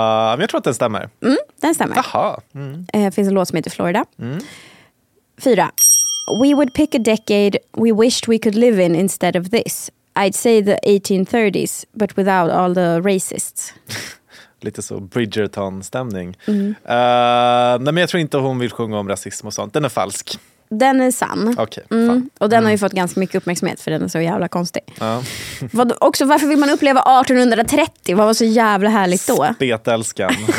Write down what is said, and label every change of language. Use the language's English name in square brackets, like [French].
[Swedish] Men jag tror att den stämmer. Mm, den stämmer. Jaha. Finns en låt som heter Florida. Fyra. [English] We would pick a decade we wished we could live in instead of this. I'd say the 1830s, but without all the racists. [Swedish] Lite så Bridgerton-stämning. Nej, men jag tror inte hon vill sjunga om rasism och sånt. Den är falsk. Den är sann. Okej, fan. Och den har ju fått ganska mycket uppmärksamhet, för den är så jävla konstig. Ja. Vad, också, varför vill man uppleva 1830? Vad var så jävla härligt då? Spetälskan.